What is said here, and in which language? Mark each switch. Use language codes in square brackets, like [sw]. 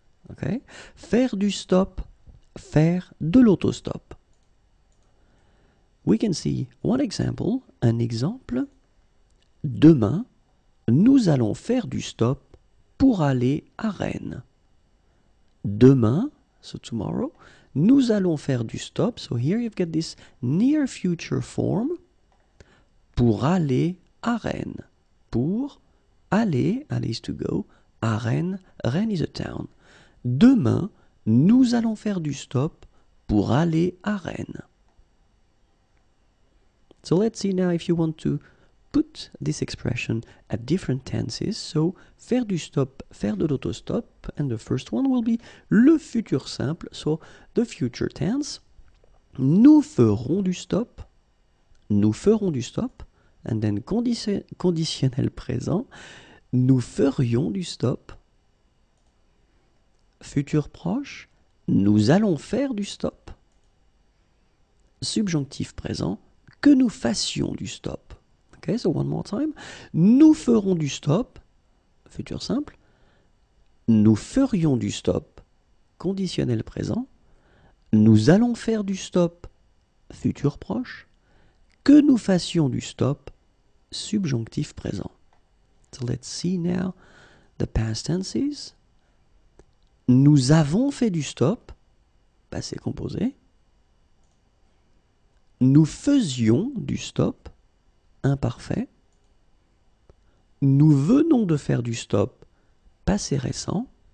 [fr] Okay, faire du stop, faire de l'autostop. [en] We can see one example, [fr] un exemple. Demain, nous allons faire du stop pour aller à Rennes. Demain, [en] so tomorrow, [fr] nous allons faire du stop. [en] So here you've got this near future form. [fr] Pour aller à Rennes. Pour aller, aller [en] is to go, [fr] à Rennes. Rennes [en] is a town. [fr] Demain, nous allons faire du stop pour aller à Rennes. [en] So let's see now if you want to put this expression at different tenses. [fr] So, faire du stop, faire de l'autostop. [en] And the first one will be le futur simple. So, the future tense. [fr] Nous ferons du stop. Nous ferons du stop. [en] And then [fr] conditionnel présent. Nous ferions du stop. Futur proche. Nous allons faire du stop. Subjonctif présent. Que nous fassions du stop. [en] Okay, so one more time. [fr] Nous ferons du stop. Futur simple. Nous ferions du stop. conditionnel présent, nous allons faire du stop futur proche, que nous fassions du stop subjonctif présent. [en] So let's see now the past tenses. [fr] Nous avons fait du stop, passé composé. Nous faisions du stop, imparfait. Nous venons de faire du stop, passé récent.